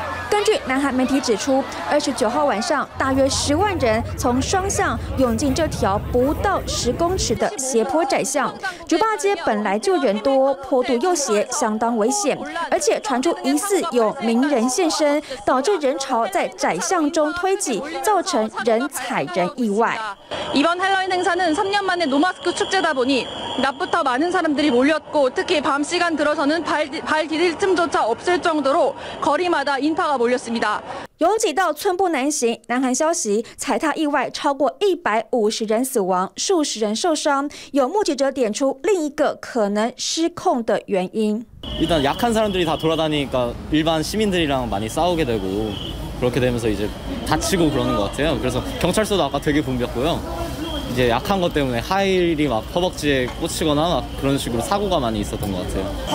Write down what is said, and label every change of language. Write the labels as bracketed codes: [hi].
[zh] 根据南韩媒体指出，29号晚上，大约10万人从双向涌进这条不到10公尺的斜坡窄巷。酒吧街本来就人多，坡度又斜，相当危险，而且传出疑似有名人现身，导致人潮在窄巷中推挤，造成人踩人意外。 [ko] 이번할로윈행사는3년만의노마스크축제다보니낮부터많은사람들이몰렸고특히밤시간들어서는 발디딜틈조차없을정도로거리마다인파가몰렸습니다 [zh] 拥挤到寸步难行，南韩消息，踩踏意外超过150人死亡，数十人受伤。有目击者点出另一个可能失控的原因。 [ko] 일단약한사람들이다돌아다니까일반시민들이랑많이싸우게되고그렇게되면서이제다치고그러는것같아요그래서경찰서도아까되게붐볐고요이제약한것때문에하일이막허벅지에꽂히거나막그런식으로사고가많이있었던것같아요